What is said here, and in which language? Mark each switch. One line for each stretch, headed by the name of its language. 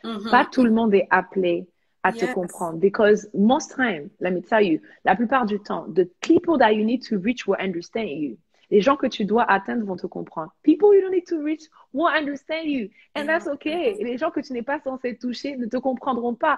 French: Pas tout le monde est appelé à te comprendre.
English: Because most time, let me tell you,
French: la plupart du temps,
English: the people that you need to reach will understand you.
French: Les gens que tu dois atteindre vont te comprendre.
English: People you don't need to reach won't understand you. And that's okay.
French: Les gens que tu n'es pas censé toucher ne te comprendront pas.